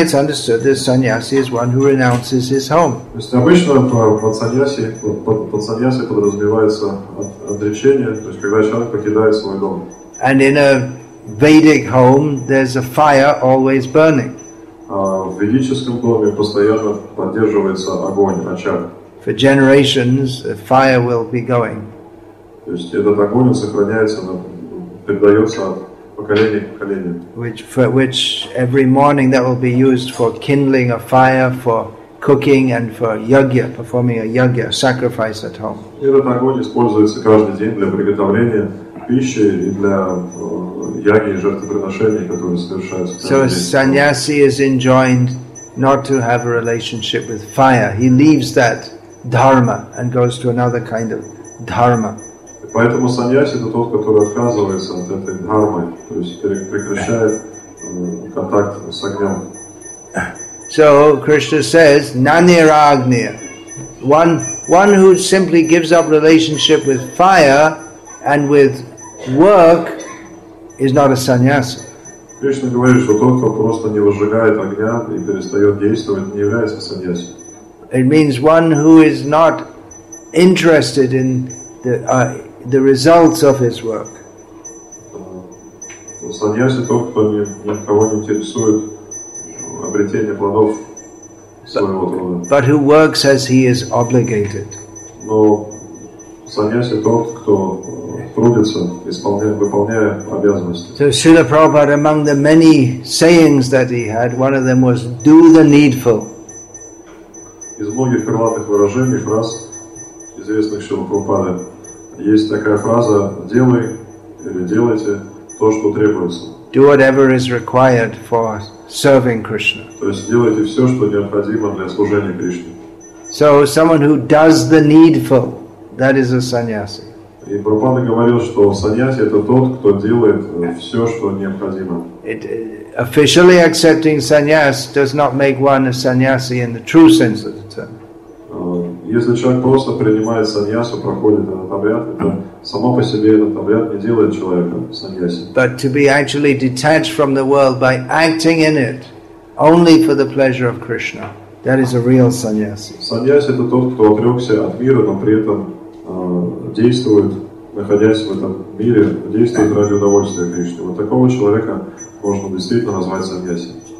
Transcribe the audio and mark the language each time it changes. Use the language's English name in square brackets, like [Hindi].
[English] it's understood that sannyasi is one who renounces his home. [Russian] Обычно под саньяси подразумевается отречение, то есть когда человек покидает свой дом. [English] And in a Vedic home, there's a fire always burning. [Russian] В ведическом доме постоянно поддерживается огонь, очаг. [English] For generations, the fire will be going. [Russian] То есть этот огонь сохраняется, передается от поколения к поколению. [English] Which every morning that will be used for kindling a fire, for cooking and for yagya, performing a yagya, sacrifice at home. [Russian] И этот огонь используется каждый день для приготовления пищи и для яги и жертвоприношений, которые совершаются. [English] So sannyasi is enjoined not to have a relationship with fire. He leaves that dharma and goes to another kind of dharma. [Russian] Поэтому саньяси это тот, который отказывается от этой дхармы, то есть прекращает контакт с огнем. [English] So Krishna says, Naniragniya. One who simply gives up relationship with fire and with work is not a sannyasi. [Russian] Krishna говорит, что тот, кто просто не выжигает огня и перестает действовать, не является саньяси. [English] It means one who is not interested in the results of his work. [Russian] Саньяси тот, кто никого не интересует обретение плодов своего труда. [English] But who works as he is obligated. [Russian] Но саньяси тот, кто трудится, выполняя обязанности. [English] So Srila Prabhupada, among the many sayings that he had, one of them was "Do the needful." [Russian] Из многих крылатых выражений, фраз известных Шрила Прабхупады, есть такая фраза: "Делай или делайте то, что требуется." [English] Do whatever is required for serving Krishna. [Russian] То есть делайте все, что необходимо для служения Кришне. [English] So someone who does the needful, that is a sannyasi. [Russian] И Прабхупада говорил, что саньяси — это тот, кто делает все, что необходимо. [English] Officially accepting sannyas does not make one a sannyasi in the true sense of the term. [Russian] Если человек просто принимает саньясу, проходит этот обряд, это само по себе этот обряд не делает человека саньяси. [English] But to be actually detached from the world by acting in it only for the pleasure of Krishna, that is a real sannyasi. [Russian] Саньяси — это тот, кто отрекся от мира, но при этом действует, находясь в этом мире, действует ради удовольствия Кришны. Вот такого человека можно действительно назвать саньяси.